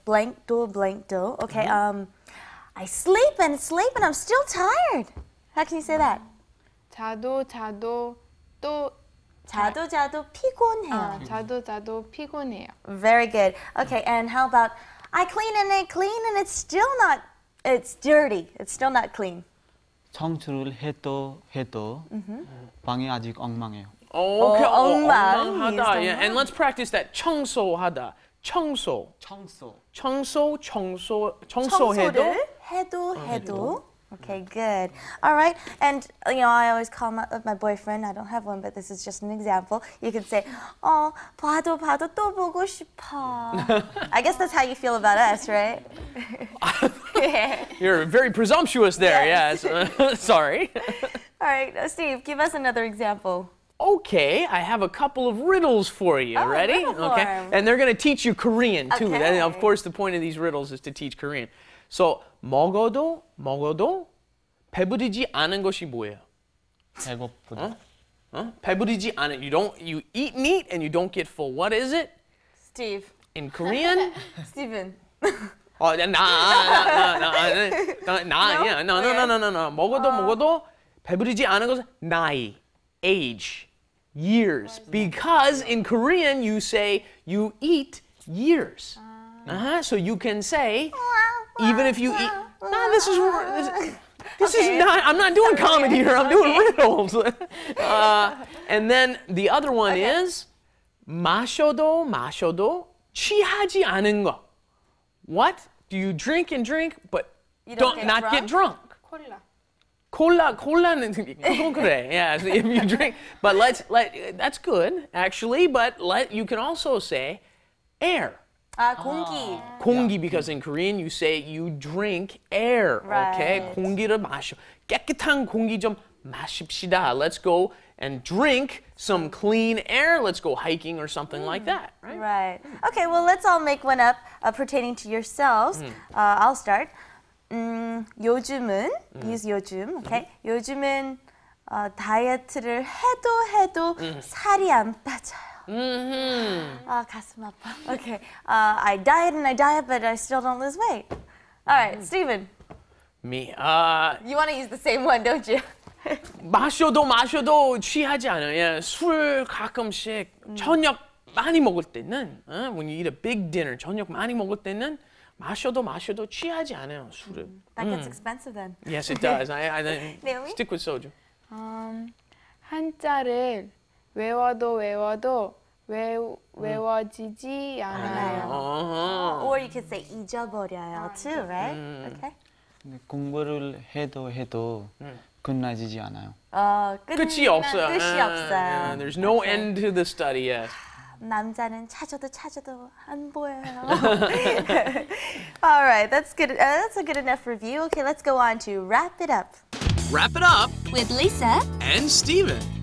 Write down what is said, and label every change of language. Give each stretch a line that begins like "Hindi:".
English: Blank do, blank do. Okay. I sleep and I'm still tired. How can you say that?
Korean: 자도 자도 또 자도 자도 피곤해요. 자도 자도 피곤해요.
English: Very good. Okay, and how about I clean and it's still not. It's dirty. It's still not clean.
Korean: 청소를 해도 해도 방이 아직 엉망해요. Okay, 엉망하다.
English: Yeah. And let's practice that.
Korean: 청소하다. 청소. 청소. 청소. 청소. 청소해도. 해도 해도.
English: Okay, good. All right. And, you know, I always call my boyfriend. I don't have one, but this is just an example. You can say, oh,
Korean: 봐도 봐도 또 보고 싶어.
English: I guess that's how you feel about us, right? You're very presumptuous there, yes. Sorry. All right, Steve, give us another example. Okay, I have a couple of riddles for you. Oh, ready? Okay. And they're going to teach you Korean, too. Okay. And of course, the point of these riddles is to teach Korean.
Korean: So, 먹어도 먹어도 배부르지 않은 것이 뭐예요? 배고프다. 배부르지 않은.
English: You eat meat and you don't get full. What is it? Steve. In Korean? Steven. Oh, No.
Korean: 먹어도 먹어도 배부르지 않은 것은 나이,
English: age, years. Because in Korean you say you eat years. So you can say. Even if you eat, no, this is not, I'm not doing comedy here, I'm doing riddles. And then the other one is,
Korean: 마셔도 마셔도 취하지 않은 거.
English: What? Do you drink and drink, but you don't get drunk?
Korean: 콜라. 콜라, 콜라는 그건 그래.
English: Yeah, if you drink, but that's good, actually, but you can also say air.
Korean: 공기.
English: 공기, because in Korean you say you drink air. Right.
Korean: Okay, 공기를 마셔. 깨끗한 공기 좀 마십시다.
English: Let's go and drink some clean air. Let's go hiking or something like that. Right. Okay, well, let's all make one up pertaining to yourselves. I'll start.
Korean: 요즘은,
English: use 요즘, okay?
Korean: 요즘은 다이어트를 해도 해도 살이 안 빠져요. Mm-hmm. Oh, 가슴 아파. Okay.
English: I diet and I diet, but I still don't lose weight. All right, Steven. Me. You want to use the same one, don't you?
Korean: 마셔도 마셔도 취하지 않아. Yeah. 술 가끔씩 저녁 많이 먹을 때는,
English: when you eat a big dinner,
Korean: 저녁 많이 먹을 때는 마셔도 마셔도 취하지 않아요, 술을.
English: That gets expensive then. Yes, it does. I stick with soju.
Korean: 한자를 외워도 외워도 외워지지 않아요.
English: Or you could say
Korean: 잊어버려요
English: too, right? Okay.
Korean: 공부를 해도 해도 끝나지지 않아요. 끝이 없어요.
English: Yeah, there's no end to the study yet.
Korean: 남자는 찾아도 찾아도 안 보여요.
English: All right, that's good. That's a good enough review. Okay, let's go on to wrap it up. Wrap it up with Lisa and Steven.